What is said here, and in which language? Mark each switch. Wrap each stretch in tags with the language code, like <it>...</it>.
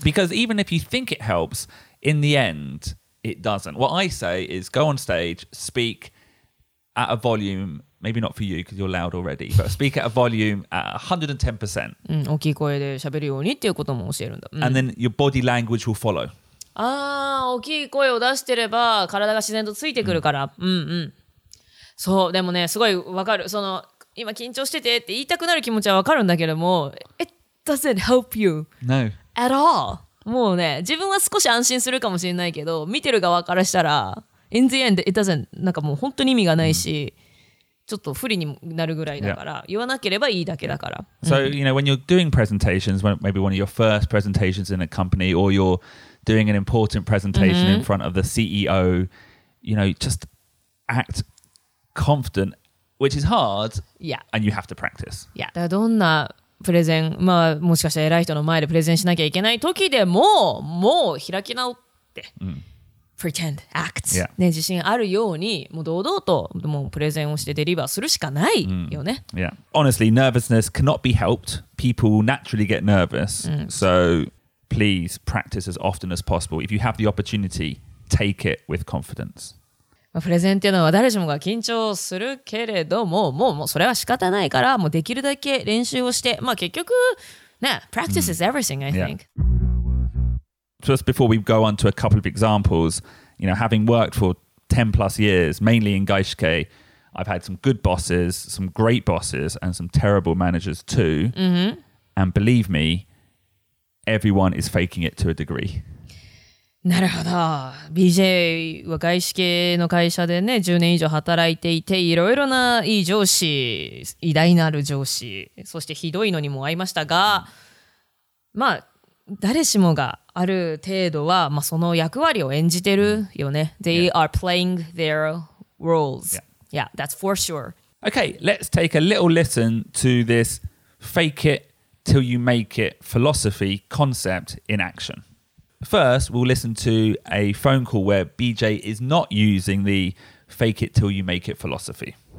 <en>Because even if you think it helps, in the end, it doesn't. What I say is go on stage, speak at a volume... Maybe not for you because you're loud already, but speak at a volume at 110%.</en> <ja>大きい声で喋るようにっていうことも教えるんだ。</ja> <en>And then your body language will follow.</en> <ja>ああ、大きい声を出してれば体が自然とついてくるから。そうでもねすごいわかるその今緊張しててって言いたくなる気持ちはわかるんだけども</ja> <en>It doesn't help you No At all</en> <ja>もうね自分は少し安心するかもしれないけど見てる側からしたら</ja> <en>In the end it doesn't</en> <ja>なんかもう本当に意味がないし、mm. ちょっと不利になるぐらいだから、yeah. 言わなければいいだけだから</ja> <en>So you know when you're doing presentations maybe one of your first presentations in a company or you're doing an important presentation、mm-hmm. in front of the CEO you know just actconfident, which is hard, yeah. and you have to practice. Yeah.</en> <ja>だからどんなプレゼン、まあもしかしたら偉い人の前でプレゼンしなきゃいけない時でも、もう開き直って、mm.</ja> <en>pretend, act. Yeah.</en> <ja>ね、自信あるように、もう堂々ともうプレゼンをしてデリバーするしかないよね。</ja> <en>Mm. Yeah. Honestly, nervousness cannot be helped. People naturally get nervous. Mm. So please practice as often as possible. If you have the opportunity, take it with confidence.</en> <ja>プレゼンっていうのは誰しもが緊張するけれども、もうそれは仕方ないから、もうできるだけ練習をして、まあ結局、ね、</ja> <en>practice is everything, I think. Just before we go on to a couple of examples, you know, having worked for 10 plus years, mainly in Gaishike, I've had some good bosses, some great bosses, and some terrible managers too. And believe me, everyone is faking it to a degree.</en> <ja>なるほど。 BJ は外資系の会社でね、10年以上働いていて、いろいろないい上司、偉大なる上司、そしてひどいのにも会いましたが、まあ、誰しもがある程度は、まあ、その役割を演じてるよね。</ja> <en>They are playing their roles. Yeah, that's for sure. Okay, let's take a little listen to this fake it till you make it philosophy concept in action. First, we'll listen to a phone call where BJ is not using the fake it till you make it philosophy.</en>